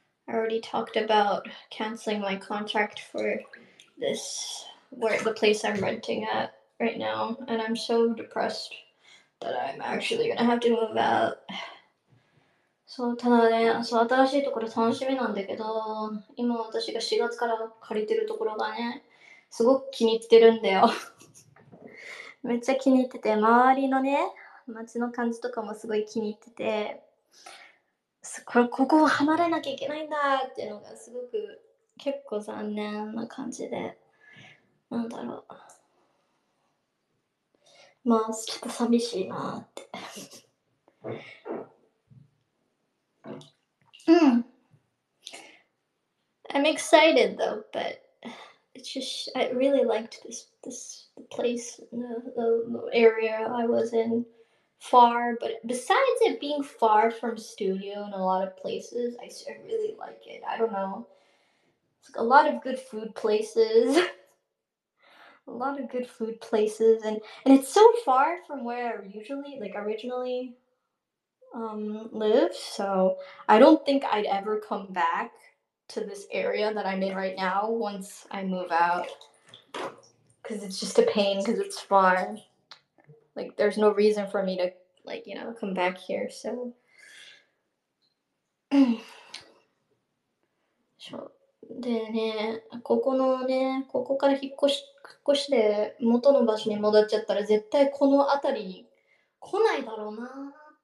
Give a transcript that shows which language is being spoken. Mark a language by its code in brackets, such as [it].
[en] already talked about canceling my contract for this where the place I'm renting at right now, and I'm so depressed that I'm actually gonna have to move out. [ja] そう、ただね、そう、新しいところ楽しみなんだけど、今私が4月から借りてるところがね、すごく気に入ってるんだよ。めっちゃ気に入ってて、周りのね、街の感じとかもすごい気に入ってて、ここを離れなきゃいけないんだっていうのがすごく結構残念な感じで、なんだろう。まあ、ちょっと寂しいなーって。 [en] I'm excited though, but it's just I really liked the place, the area I was in far, but besides it being far from studio and a lot of places, I really like it. I don't know. It's like a lot of good food places. A lot of good food places and it's so far from where I usually like originally live, so I don't think I'd ever come back to this area that I'm in right now once I move out because it's just a pain because it's far. Like, there's no reason for me to, like, come back here. [ja] So, でね、ここのね、ここから引っ越しで元の場所に戻っちゃったら絶対この辺りに来ないだろうな。